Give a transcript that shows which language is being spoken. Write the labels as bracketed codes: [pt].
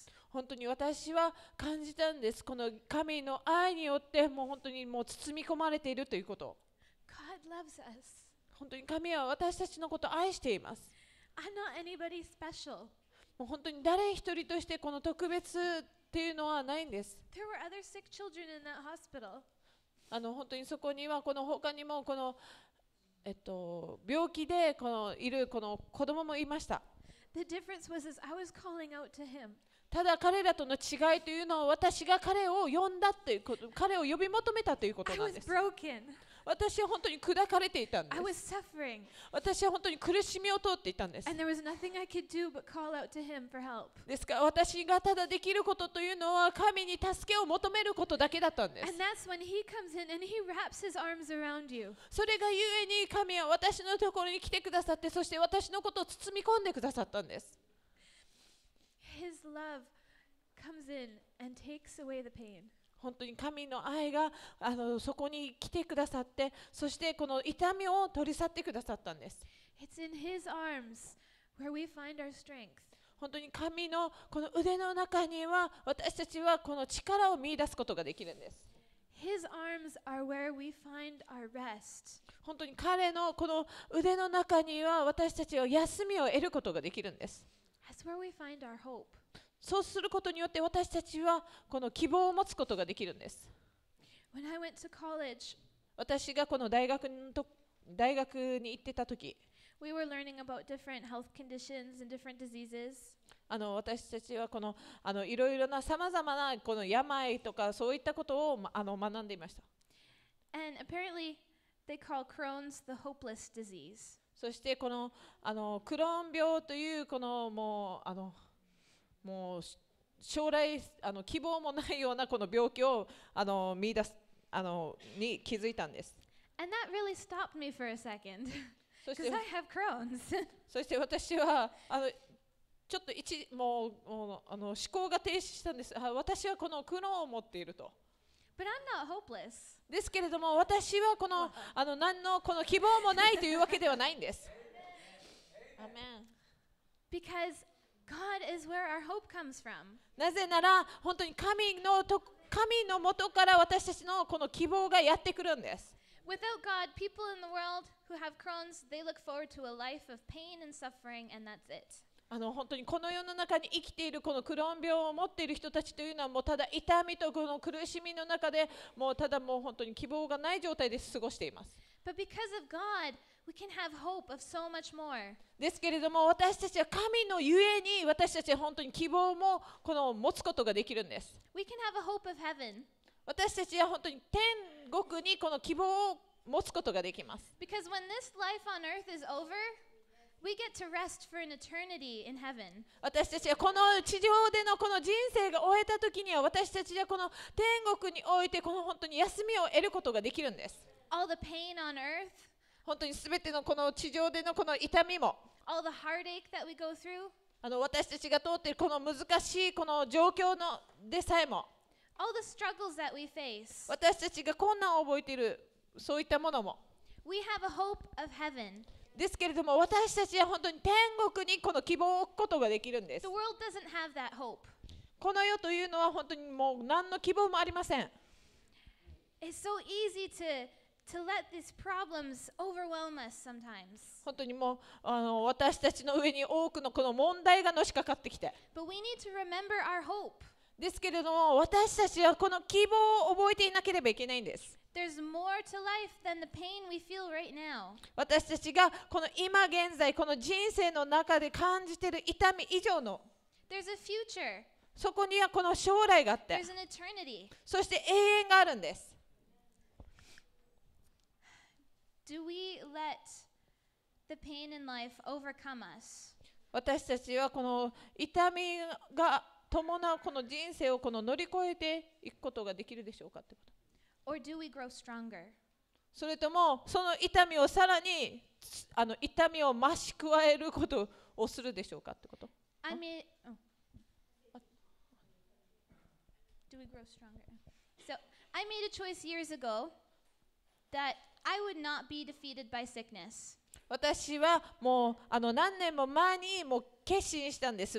[ja] 本当に私は感じたんです。この神の愛によってもう本当にもう包み込まれているということ。 [en] God loves us. [ja] 本当に神は私たちのことを愛しています。 [en] I'm not anybody special. [ja] もう本当に誰一人としてこの特別っていうのはないんです。 [en] There were other sick children in that hospital. [ja] 本当にそこにはこの他にもこの病気でこのいるこの子供もいました。 [en] The difference was I was calling out to him. [ja] ただ彼らとの違いというのは私が彼を呼んだということ、彼を呼び求めたということなんです。 [en] I was broken. [ja] 私は本当に砕かれていたんです。 [en] I was suffering. [ja] 私は本当に苦しみを通っていたんです。 [en] And there was nothing I could do but call out to him for help. [ja] ですから私がただできることというのは神に助けを求めることだけだったんです。 [en] And that's when he comes in and he wraps his arms around you. [ja] それが故に神は私のところに来てくださって、そして私のことを包み込んでくださったんです。 [en] His love comes in and takes away the pain. [ja] 本当に神の愛がそこに来てくださって、そしてこの痛みを取り去ってくださったんです。 [en] It's in His arms where we find our strength. [ja] 本当に神のこの腕の中には私たちはこの力を見出すことができるんです。 [en] His arms are where we find our rest. [ja] 本当に彼のこの腕の中には私たちは休みを得ることができるんです。 [en] That's where we find our hope. [ja] そうすることによって私たちはこの希望を持つことができるんです。 [en] When I went to college, [ja] 私がこの大学に行ってた時、 [en] we were learning about different health conditions and different diseases. [ja] 私たちはこのいろいろなさまざまなこの病とかそういったことを学んでいました。 [en] And apparently they call Crohn's the hopeless disease. [ja] そしてこのクローン病というこのもうもう将来希望もないようなこの病気を見出すに気づいたんです。 [en] And that really stopped me for a second. Because I have Crohn's. [ja] そして私はちょっと一もう思考が停止したんです。私はこのクローンを持っていると。 [en] But I'm not hopeless. [ja] ですけれども私はこの何のこの希望もないというわけではないんです。 [en] Amen. Because God is where our hope comes from. [ja] なぜなら本当に神のもとから私たちのこの希望がやってくるんです。 [en] Without God, people in the world who have Crohn's, they look forward to a life of pain and suffering, and that's it. [ja] 本当にこの世の中に生きているこのクローン病を持っている人たちというのはもうただ痛みとこの苦しみの中でもうただもう本当に希望がない状態で過ごしています。 [en] But because of God, we can have hope of so much more. [ja] ですけれども私たちは神のゆえに私たちは本当に希望もこの持つことができるんです。 [en] We can have a hope of heaven. [ja] 私たちは本当に天国にこの希望を持つことができます。 [en] Because when this life on earth is over,We get to rest for an eternity in heaven. [ja] 私たちはこの地上でのこの人生が終えた時には私たちはこの天国においてこの本当に休みを得ることができるんです。 [en] All the pain on earth, [ja] 本当に全てのこの地上でのこの痛みも [en] All the heartache that we go through, [ja] 私たちが通っているこの難しいこの状況のでさえも [en] All the struggles that we face, [ja] 私たちが困難を覚えているそういったものも [en] We have a hope of heaven. [ja] ですけれども私たちは本当に天国にこの希望を置くことができるんです。 [en] The world doesn't have that hope. [ja] この世というのは本当にもう何の希望もありません。 [en] It's so easy to let these problems overwhelm us sometimes. [ja] 本当にもう私たちの上に多くのこの問題がのしかかってきて。 [en] But we need to remember our hope. [ja] ですけれども私たちはこの希望を覚えていなければいけないんです。 [en] There's more to life than the pain we feel right now. [ja] 私たちがこの今現在この人生の中で感じている痛み以上の [en] There's a future. [ja] そこにはこの将来があって [en] There's an eternity. [ja] そして永遠があるんです。 [en] Do we let the pain in life overcome us? [ja] 私たちはこの痛みが伴うこの人生をこの乗り越えていくことができるでしょうかってこと。 [en] Or do we grow stronger? [ja] それともその痛みをさらに痛みを増し加えることをするでしょうかってこと。 [en] I mean, do we grow stronger? So I made a choice years ago that I would not be defeated by sickness. [ja] 私はもう何年も前にもう決心したんです。